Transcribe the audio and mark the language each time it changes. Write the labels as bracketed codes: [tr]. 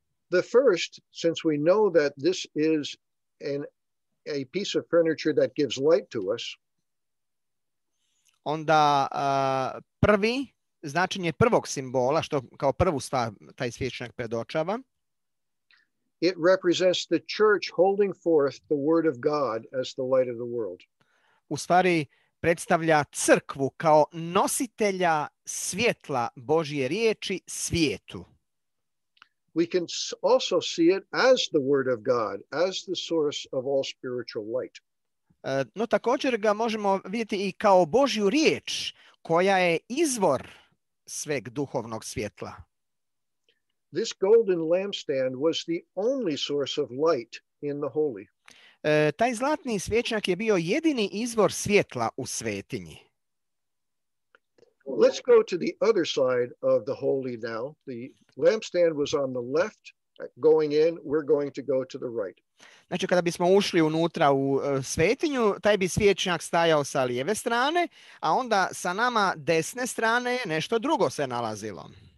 [en] The first, since we know that this is a piece of furniture that gives light to us. [hr] Onda prvi, značenje prvog simbola, što kao prvu stvar taj svjećnjak predočava. [en] It represents the church holding forth the word of God as the light of the world. [hr] U stvari, predstavlja crkvu kao nositelja svjetla Božje riječi svijetu. [en] We can also see it as the word of God, as the source of all spiritual light. [hr] No također ga možemo vidjeti i kao Božju riječ koja je izvor sveg duhovnog svjetla. [en] This golden lampstand was the only source of light in the holy. [hr] Taj zlatni svjećnjak je bio jedini izvor svjetla u svetinji. [en] let's go to the other side of the holy now. The lampstand was on the left. Going in, we're going to go to the right. [hr] Znači, kada bismo ušli unutra u svetinju, taj bi svjećnjak stajao sa lijeve strane, a onda sa nama desne strane je nešto drugo se nalazilo.